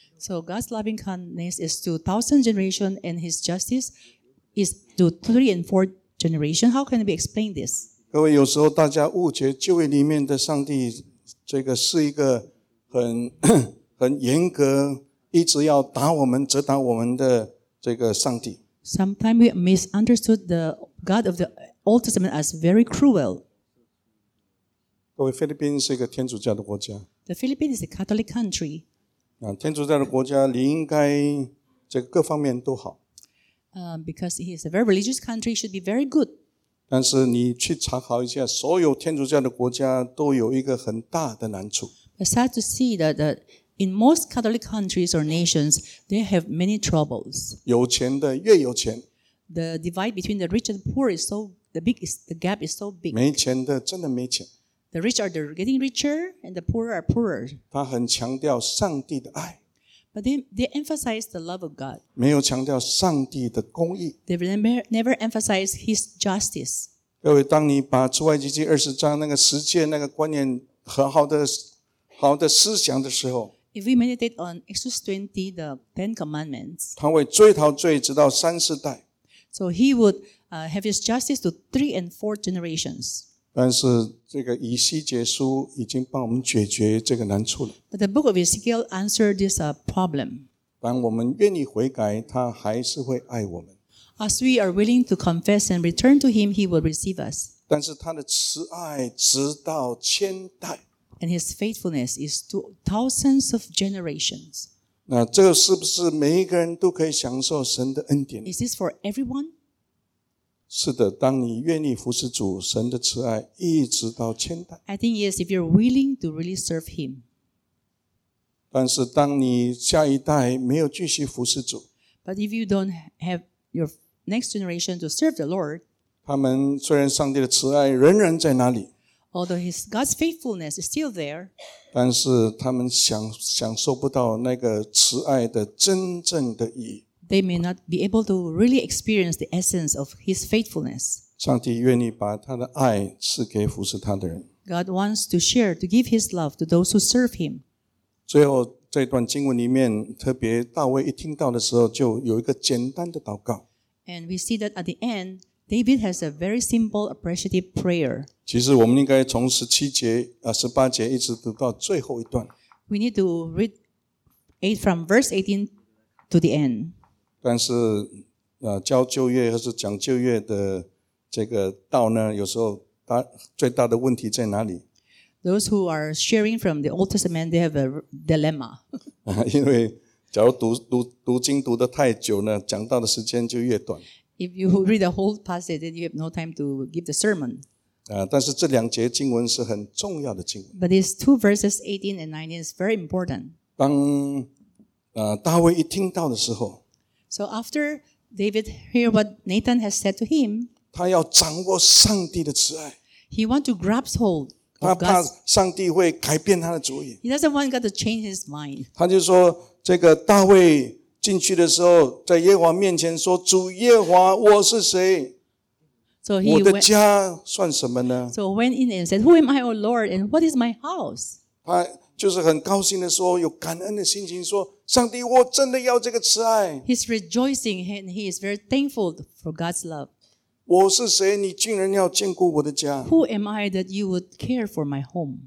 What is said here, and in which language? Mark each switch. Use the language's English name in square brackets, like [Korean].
[English] So God's loving kindness is to thousand generation and his justice. Is to three and four generation? How can we explain this? [Chinese] 各位，有时候大家误解旧约里面的上帝，这个是一个很严格，一直要打我们、责打我们的这个上帝。 [English] Sometimes we misunderstood the God of the Old Testament as very cruel. [Chinese] 各位，菲律宾是一个天主教的国家。 [English] The Philippines is a Catholic country. [Chinese] 天主教的国家，理应该这个各方面都好。 [English] Because he is a very religious country, should be very good. [Chinese] 但是你去查考一下，所有天主教的国家都有一个很大的难处。 [English] It's sad to see that in most Catholic countries or nations, they have many troubles. [Chinese] 有钱的越有钱。 [English] The divide between the rich and poor is so the gap is so big. [Chinese] 没钱的真的没钱。 [English] The rich are getting richer, and the poor are poorer. [Chinese] 他很强调上帝的爱。 [English] But they emphasize the love of God. [Chinese] 没有强调上帝的公义。 [English] They never emphasize His justice. [Chinese] 各位，当你把出埃及记二十章那个实践那个观念和好的思想的时候。 [English] If we meditate on Exodus 20, the Ten Commandments, [Chinese] 他会追讨罪直到三四代。 [English] So he would have his justice to three and four generations. [Chinese] 但是这个以西结书已经帮我们解决这个难处了。 [English] But the book of Ezekiel answered this problem. [Chinese] 当我们愿意悔改，他还是会爱我们。 [English] As we are willing to confess and return to him, he will receive us. [Chinese] 但是他的慈爱直到千代。 [English] And his faithfulness is to thousands of generations. [Chinese] 那这是不是每一个人都可以享受神的恩典？ [English] Is this for everyone? [Chinese] 是的，当你愿意服侍主，神的慈爱一直到千代。 [English] I think yes, if you're willing to really serve him. [Chinese] 但是当你下一代没有继续服侍主， [English] But if you don't have your next generation to serve the Lord, [Chinese] 他们虽然上帝的慈爱仍然在哪里？ [English] Although his God's faithfulness is still there, [Chinese] 但是他们享受不到那个慈爱的真正的意义。 [English] They may not be able to really experience the essence of his faithfulness. [Chinese] 上帝愿意把他的爱赐给服侍他的人。 [English] God wants to share, to give his love to those who serve him. [Chinese] 最后这段经文里面，特别大卫一听到的时候，就有一个简单的祷告。 [English] And we see that at the end,David has a very simple appreciative prayer. [Chinese] 其实我们应该从18节一直读到最后一段。 [English] We need to read from verse 18 to the end. [Chinese] 但是教旧约还是讲旧约的这个道呢，有时候最大的问题在哪里？ [English] Those who are sharing from the Old Testament, they have a dilemma. [Chinese] 因为假如 读经读得太久呢，讲到的时间就越短。 [English] If you read the whole passage, then you have no time to give the sermon. [Chinese] 但是这两节经文是很重要的经文。 [English] But these two verses 18 and 19 is very important. [Chinese] 当大卫一听到的时候， [English] So after David hear what Nathan has said to him, [Chinese] 他要掌握上帝的慈爱。 [English] He want to grasp hold. [Chinese] 他怕上帝会改变他的主意。 [English] He doesn't want God to change his mind. [Chinese] 他就说这个大卫。进去的时候，在耶和华面前说：“主耶和华，我是谁？ [English] So、he [Chinese] 我的家算什么呢 [English] ？”So went in and said, "Who am I, O Lord, and what is my house?" [Chinese] 他就是很高兴的说，有感恩的心情说：“上帝，我真的要这个慈爱。 [English] ”He's rejoicing and he is very thankful for God's love. [Chinese] 我是谁？你竟然要眷顾我的家 [English] ？Who am I that you would care for my home？